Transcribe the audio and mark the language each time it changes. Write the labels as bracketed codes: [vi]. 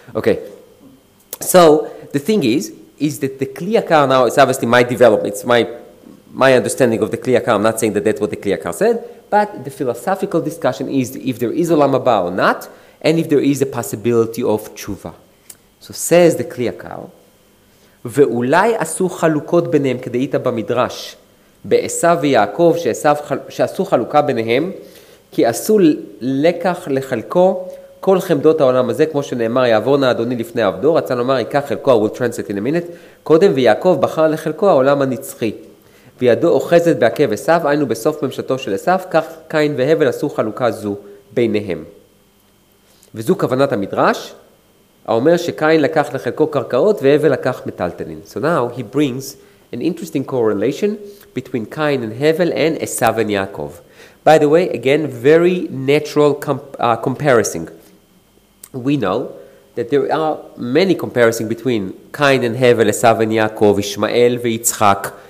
[en] Okay, so the thing is that the Kli Yakar now, it's obviously my development, it's my understanding of the Kli Yakar. I'm not saying that that's what the Kli Yakar said, but the philosophical discussion is if there is Olam Haba or not, and if there is a possibility of tshuva. So says the Kli Yakar, [he] ואולי עשו חלוקות ביניהם כדאית במדרש, בעשיו ויעקב שעשו חלוקה ביניהם, כי עשו לקח לחלקו, כל חמדות העולם הזה, כמו שנאמר, יעבור נא אדוני לפני עבדו, רצה לומר, ייקח חלקו, [en] I will translate in a minute, [he] קודם ויעקב בחר לחלקו העולם הנצחי, וידו אוחזת בעקב אסף, היינו בסוף ממשלתו של אסף, כך קין והבל עשו חלוקה זו ביניהם. וזו כוונת המדרש, האומר שקין לקח לחלקו קרקעות, והבל לקח מטלטלין. [en] So now he brings an interesting correlation between קין and הבל and אסף and יעקב. By the way, again, very natural comparison. We know that there are many comparisons between Cain and Hevel, Esav and Yaakov, Ishmael and Yitzchak.